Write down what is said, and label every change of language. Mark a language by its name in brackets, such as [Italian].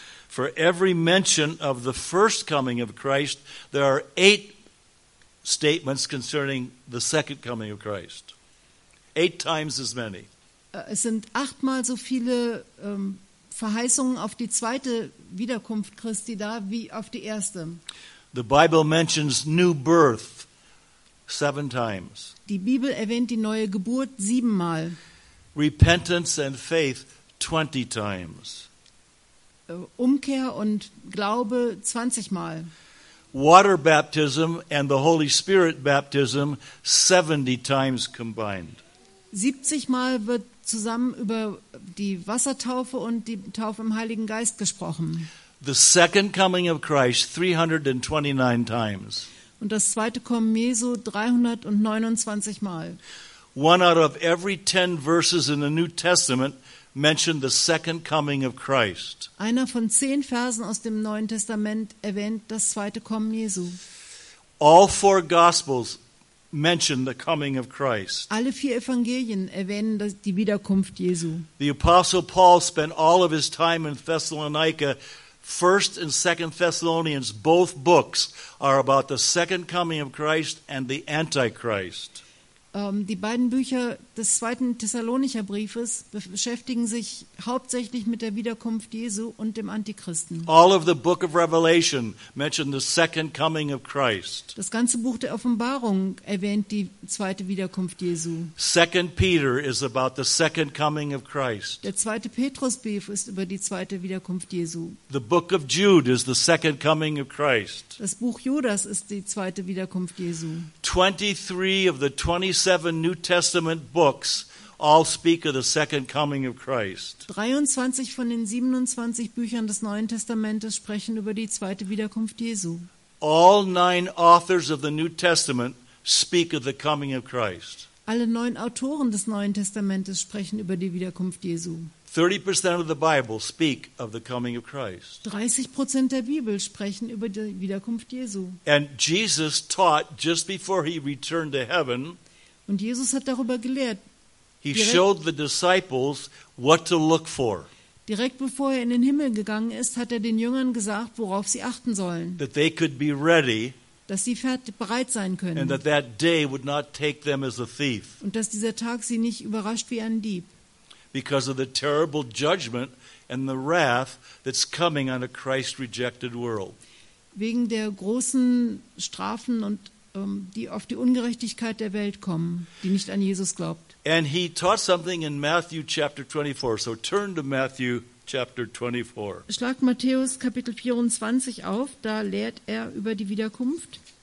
[English] For every mention of the first coming of Christ, there are 8 statements concerning the second coming of Christ. 8 times as many. [German] Es sind 8-mal so viele Verheißungen auf die zweite Wiederkunft Christi da wie auf die erste. [English] The Bible mentions new birth 7 times. [German] Die Bibel erwähnt die neue Geburt 7-mal. [English] Repentance and faith 20 times. [German] Umkehr und Glaube 20-mal. [English] Water baptism and the Holy Spirit baptism 70 times combined. [German] 70-mal wird zusammen über die Wassertaufe und die Taufe im Heiligen Geist gesprochen. [English] The second coming of Christ 329 times. [German] Und das zweite Kommen Jesu 329 Mal. [English] One out of every 10 verses in the New Testament mentioned the second coming of Christ. [German] Einer von 10 Versen aus dem Neuen Testament erwähnt das zweite Kommen Jesu. [English] All 4 Gospels mention the coming of Christ. [German] Alle 4 Evangelien erwähnen die Wiederkunft Jesu. [English] The Apostle Paul spent all of his time in Thessalonica. 1st and 2nd Thessalonians, both books are about the second coming of Christ and the Antichrist. [German] Die beiden Bücher des 2. Thessalonicher Briefes beschäftigen sich hauptsächlich mit der Wiederkunft Jesu und dem Antichristen. [English] All of the book of Revelation mentioned the second coming of Christ. [German] Das ganze Buch der Offenbarung erwähnt die zweite Wiederkunft Jesu. [English] 2nd Peter is about the second coming of Christ. [German] Der 2. Petrusbrief ist über die zweite Wiederkunft Jesu. [English] The book of Jude is the second coming of Christ. [German] Das Buch Judas ist die zweite Wiederkunft Jesu. [English] 23 of the 27 New Testament books all speak of the second coming of Christ. [German] 23 von den 27 Büchern des Neuen Testamentes sprechen über die zweite Wiederkunft Jesu. [English] All 9 authors of the New Testament speak of the coming of Christ. [German] Alle neun Autoren des Neuen Testamentes sprechen über die Wiederkunft Jesu. [English] 30% of the Bible speak of the coming of Christ. [German] 30% der Bibel sprechen über die Wiederkunft Jesu. [English] And Jesus taught just before he returned to heaven. [German] Und Jesus hat darüber gelehrt. [English] He showed the disciples what to look for. [German] Direkt bevor er in den Himmel gegangen ist, hat er den Jüngern gesagt, worauf sie achten sollen. [English] That they could be ready. [German] Dass sie bereit sein können. [English] And that day would not take them as a thief. [German] Und dass dieser Tag sie nicht überrascht wie ein Dieb. [English] Because of the terrible judgment and the wrath that's coming on a Christ-rejected world. [German] Wegen der großen Strafen und die auf die Ungerechtigkeit der Welt kommen, die nicht an Jesus glaubt. [English] And he taught something in Matthew chapter 24. So turn to Matthew chapter 24. [German] Schlagt Matthäus Kapitel 24 auf, da lehrt er über die Wiederkunft.